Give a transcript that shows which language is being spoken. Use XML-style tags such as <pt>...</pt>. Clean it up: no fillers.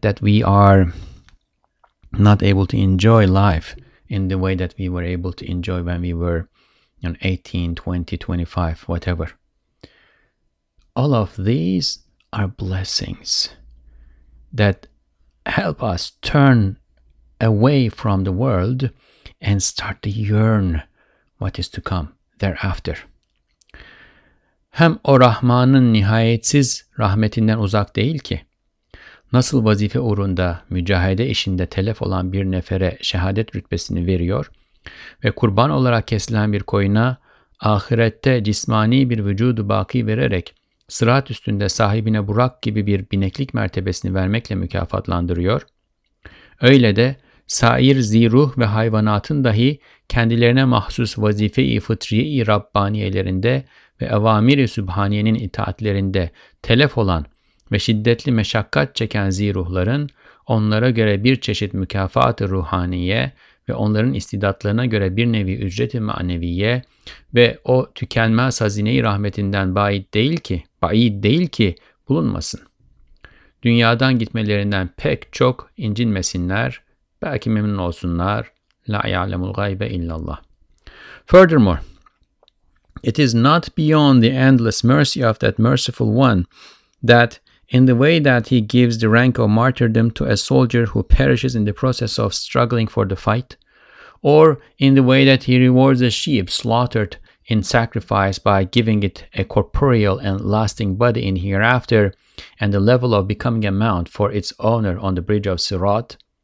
<en>That we are not able to enjoy life in the way that we were able to enjoy when we were 18, 20, 25, whatever. All of these are blessings that help us turn away from the world and start to yearn what is to come thereafter.</en> <tr>Hem o Rahman'ın nihayetsiz rahmetinden uzak değil ki. Nasıl vazife uğrunda, mücahede işinde telef olan bir nefere şehadet rütbesini veriyor ve kurban olarak kesilen bir koyuna ahirette cismani bir vücudu baki vererek sırat üstünde sahibine Burak gibi bir bineklik mertebesini vermekle mükafatlandırıyor. Öyle de sair ziruh ve hayvanatın dahi kendilerine mahsus vazife-i fıtri-i rabbaniyelerinde ve evamir-i sübhaniyenin itaatlerinde telef olan ve şiddetli meşakkat çeken ziruhların onlara göre bir çeşit mükafat-ı ruhaniye ve onların istidatlarına göre bir nevi ücret-i maneviye ve o tükenmez hazine-i rahmetinden bâid değil ki bulunmasın. Dünyadan gitmelerinden pek çok incinmesinler, belki memnun olsunlar.</tr> <ar>La ya'lemul gaybe illallah.</ar> <en>Furthermore, it is not beyond the endless mercy of that merciful one that in the way that he gives the rank of martyrdom to a soldier who perishes in the process of struggling for the fight, or in the way that he rewards a sheep slaughtered in sacrifice by giving it a corporeal and lasting body in hereafter and the level of becoming a mount for its owner on the bridge of Sirat.</en>